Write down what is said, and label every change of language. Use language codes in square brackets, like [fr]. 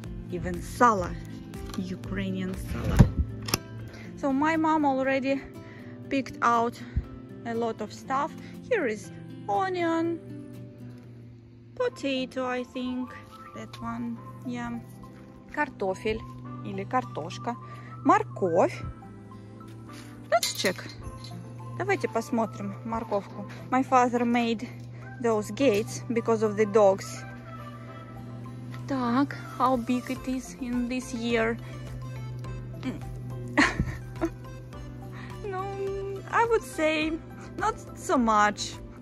[en] Even sala, Ukrainian sala. So my mom already picked out a lot of stuff. Here is onion, potato, I think, that one, yeah. [ru] Картофель или картошка, морковь. [en] Let's check. [ru] Давайте посмотрим морковку. [en] My father made those gates because of the dogs. Так, how big it is in this year? No, I would say not so much.